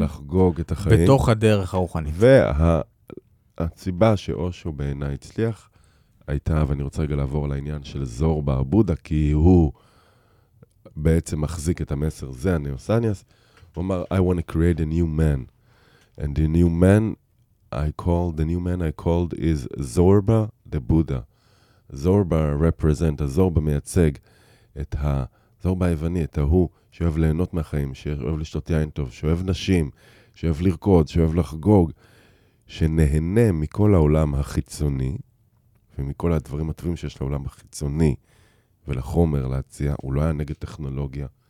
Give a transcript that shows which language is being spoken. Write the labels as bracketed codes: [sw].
[he] לחגוג את החיים. בתוך הדרך הרוחנית. והסיבה שאושו בעיניי הצליח, הייתה, ואני רוצה רגע לעבור על העניין של זורבה בודה, כי הוא... ب- בעצם מחזיק את המסר, זה הניוסניאס, הוא אמר, [en] I want to create a new man. And the new man I called, the new man I called is Zorba the Buddha. Zorba represent, [he] Zorba מייצג את ה... Zorba היווני, את ההוא שאוהב ליהנות מהחיים, שאוהב לשתות יין טוב, שאוהב נשים, שאוהב לרקוד, שאוהב לחגוג, שנהנה מכל העולם החיצוני, ומכל הדברים הטובים שיש לעולם החיצוני, ולחומר להציע, הוא לא היה נגד טכנולוגיה.